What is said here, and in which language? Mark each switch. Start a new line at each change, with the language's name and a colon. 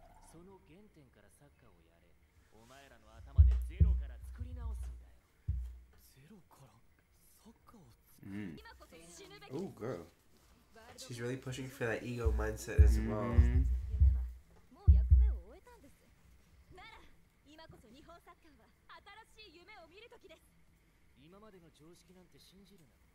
Japanese: その原点からサッカーをやれ。お前らの頭でゼロから作り直すんだよ。ゼロからサッカーを作る。今こそ死ぬべき。
English: Oh girl. She's really pushing for that ego mindset as well.
Japanese: もう役目を終えたんです。なら今こそ日本サッカーは新しい夢を見る時です。今までの常識なんて信じるな。